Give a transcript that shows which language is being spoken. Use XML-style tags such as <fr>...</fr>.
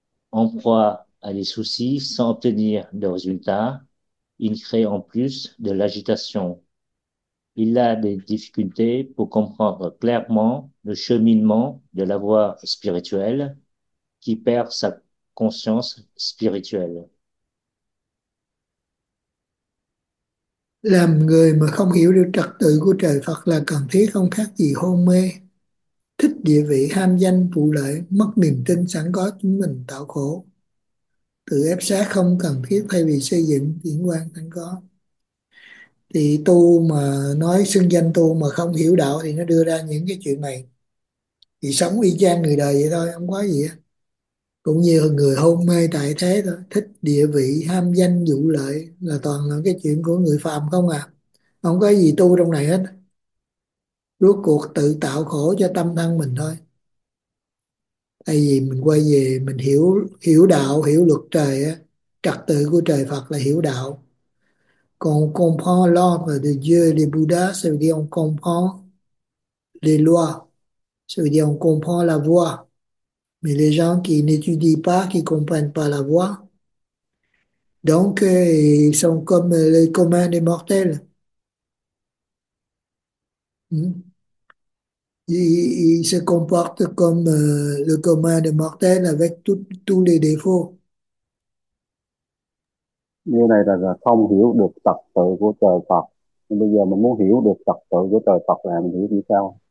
<fr>En proie à des soucis sans obtenir de résultats, il crée en plus de l'agitation. Il a des difficultés pour comprendre clairement le cheminement de la voie spirituelle qui perd sa conscience spirituelle.</fr> <vi>Làm người mà không hiểu được trật tự của trời Phật là cần thiết không khác gì hôn mê, thích địa vị, ham danh, vụ lợi, mất niềm tin sẵn có chính mình, tạo khổ, tự ép sát không cần thiết thay vì xây dựng điển quang sẵn có. Thì tu mà nói xưng danh tu mà không hiểu đạo thì nó đưa ra những cái chuyện này, thì sống y chang người đời vậy thôi, không có gì hết. Cũng như người hôn mê tại thế thôi, thích địa vị, ham danh, vụ lợi là toàn là cái chuyện của người phàm không à, không có gì tu trong này hết, rốt cuộc tự tạo khổ cho tâm thân mình thôi. Tại vì mình quay về mình hiểu hiểu đạo, hiểu luật trời á, trật tự của trời Phật là hiểu đạo. Còn</vi> <fr>comprendre l'ordre de Dieu de Bouddha, ça veut dire on comprend les lois, ça veut dire on comprend la voie. Mais les gens qui n'étudient pas, qui ne comprennent pas la voie, donc ils sont comme les communs des mortels. Ils se comportent comme le commun des mortels avec tous les défauts.</fr> <vi>Như này là không hiểu được trật tự của trời Phật. Nhưng bây giờ mình muốn hiểu được trật tự của trời Phật là mình hiểu như sao?</vi>